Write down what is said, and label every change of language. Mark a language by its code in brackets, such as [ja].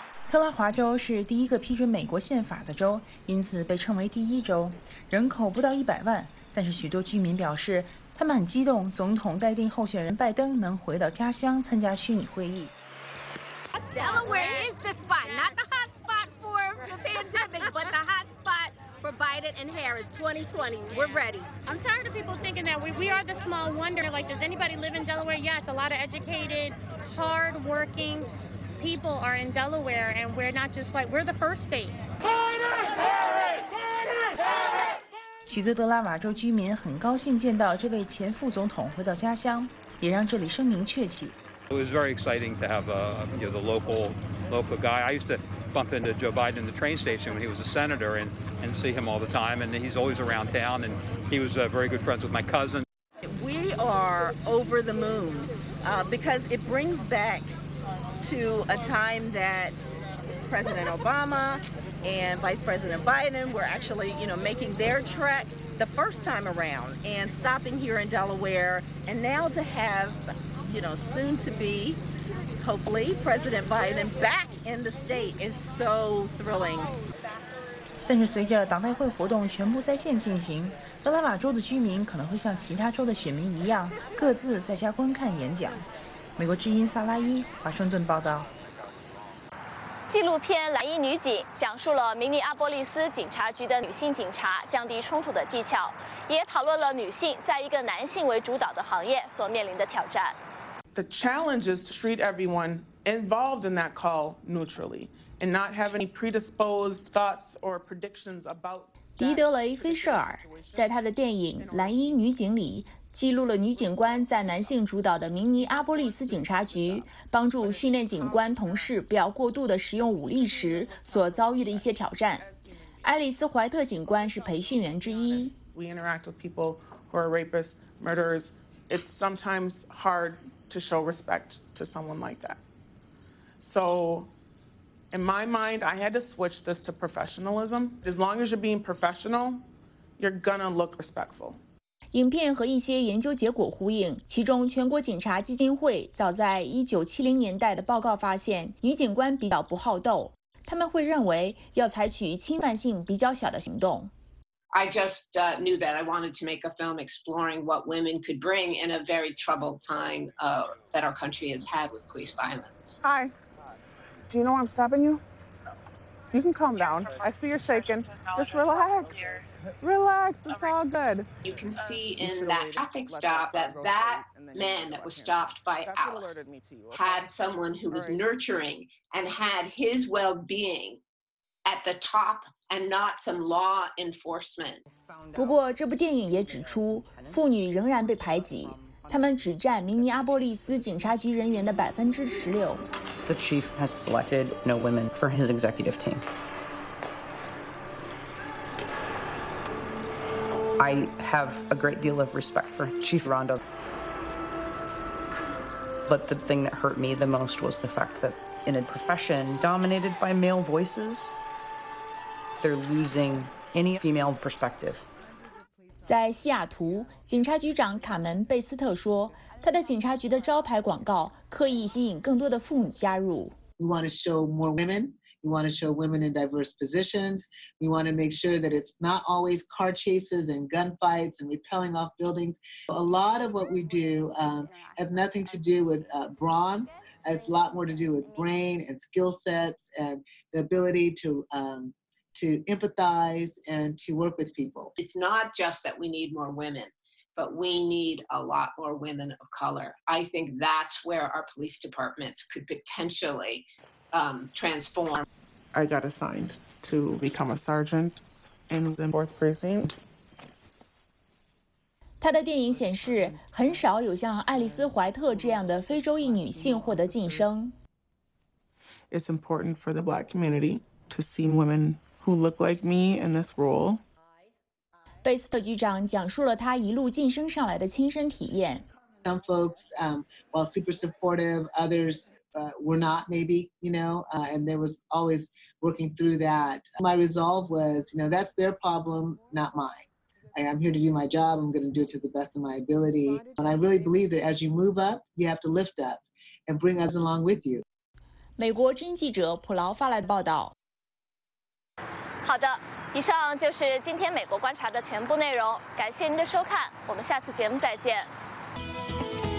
[zh] 特拉华州是第一个批准美国宪法的州，因此被称为第一州，人口不到100万，但是许多居民表示他们很激动总统待定候选人拜登能回到家乡参加虚拟会议。 [en] Delaware is the spot, not the hot spot for the pandemic, but the hot spot for Biden and Harris 2020. We're ready. I'm tired of people thinking that we are the small wonder. Like, does anybody live in Delaware? Yes, a lot of educated, hardworking people are in Delaware, and we're not just like, we're the first state. Biden! Harris! Biden! Harris! [zh] 许多德拉瓦州居民很高兴见到这位前副总统回到家乡，也让这里声名鹊起。 [en] It was very exciting to have the local guy. I used to bump into Joe Biden in the train station when he was a senator and see him all the time. And he's always around town. And he was very good friends with my cousin. We are over the moon because it brings back to a time that President Obama and Vice President Biden were actually, you know, making their trek the first time around and stopping here in Delaware. And now to have... You know, soon to be, hopefully, President Biden back in the state is so thrilling. [zh] 但是随着党代会活动全部在线进行，德拉瓦州的居民可能会像其他州的选民一样，各自在家观看演讲。美国之音萨拉伊，华盛顿报道。纪录片《蓝衣女警》讲述了明尼阿波利斯警察局的女性警察降低冲突的技巧，也讨论了女性在一个男性为主导的行业所面临的挑战。 [en] The challenge is to treat everyone involved in that call neutrally and not have any predisposed thoughts or predictions about. [zh] 迪德雷·菲舍尔在他的电影《蓝衣女警》里记录了女警官在男性主导的明尼阿波利斯警察局帮助训练警官同事不要过度的使用武力时所遭遇的一些挑战。爱丽丝·怀特警官是培训员之一。 [en] We interact with people who are rapists, murderers. It's sometimes hard. To show respect to someone like that. So, in my mind, I had to switch this to professionalism. As long as you're being professional, you're gonna look respectful. [zh] 影片和一些研究结果呼应，其中全国警察基金会早在1970年代的报告发现，女警官比较不好斗，他们会认为要采取侵犯性比较小的行动。 [en] I just knew that I wanted to make a film exploring what women could bring in a very troubled time that our country has had with police violence. Hi. Do you know I'm stopping you? You can calm down. I see you're shaking. Just relax. Relax. It's all good. You can see in that traffic stop that man that was stopped by Alice had someone who was nurturing and had his well-being at the top. And not some law enforcement. [zh] 不过这部电影也指出，妇女仍然被排挤，她们只占明尼阿波利斯警察局人员的16%。 [en] The chief has selected no women for his executive team. I have a great deal of respect for Chief Rondo. But the thing that hurt me the most was the fact that in a profession dominated by male voices,They're losing any female perspective. [zh] 在西雅图，警察局长卡门·贝斯特说，他的警察局的招牌广告刻意吸引更多的妇女加入。 [en] We want to show more women. We want to show women in diverse positions. We want to make sure that it's not always car chases and gunfights and repelling off buildings. A lot of what we do has nothing to do with brawn. It's a lot more to do with brain and skill sets and the ability to empathize and to work with people. It's not just that we need more women, but we need a lot more women of color. I think that's where our police departments could potentially transform. I got assigned to become a sergeant in the 4th precinct. [zh] 他的电影显示，很少有像爱丽丝·怀特这样的非洲裔女性获得晋升。 [en] It's important for the black community to see women. Who look like me in this role? [zh] 贝斯特局长讲述了他一路晋升上来的亲身体验。 [en] Some folks, while super supportive, others were not. Maybe you know, and there was always working through that. My resolve was, you know, that's their problem, not mine. I'm here to do my job. I'm going to do it to the best of my ability. And I really believe that as you move up, you have to lift up and bring others along with you. [zh] 美国之音记者普劳发来的报道。好的，以上就是今天美国观察的全部内容，感谢您的收看，我们下次节目再见。